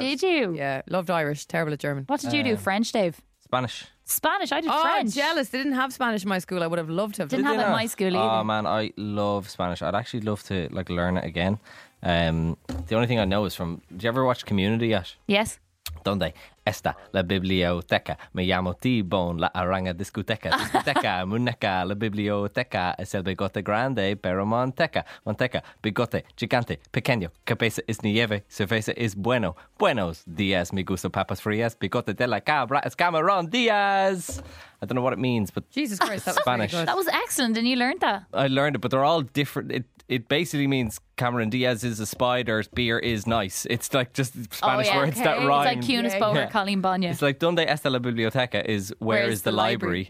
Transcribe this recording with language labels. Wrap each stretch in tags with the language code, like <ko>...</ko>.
<en>it. Did you? Yeah. Loved Irish. Terrible at German. What did you do? French, Dave? Spanish. Spanish, I did oh, French. Oh, jealous. They didn't have Spanish in my school. I would have loved to have. Didn't they have they it in my school either. Oh, man, I love Spanish. I'd actually love to like learn it again. The only thing I know is from... Do you ever watch Community yet? Yes.</en> <es>¿Dónde está la biblioteca? Me llamo Tibón, la aranga discoteca. Discoteca, muñeca, la biblioteca. Es el bigote grande, pero manteca. Manteca, bigote, gigante, pequeño. Cabeza es nieve, cerveza es bueno. Buenos días, me gusta papas frías. Bigote de la cabra es Camarón Díaz.</es> <en>I don't know what it means, but... Jesus Christ, that was Spanish. That was excellent, and you learned that. I learned it, but they're all different... It basically means Cameron Diaz is a spider, beer is nice. It's like just Spanish oh, yeah, words okay. that rhyme. It's like Cunis Bower, yeah. Colleen Bonya. It's like,</en> <es>¿Dónde está la biblioteca?</es> <en>Is where is the library?</en>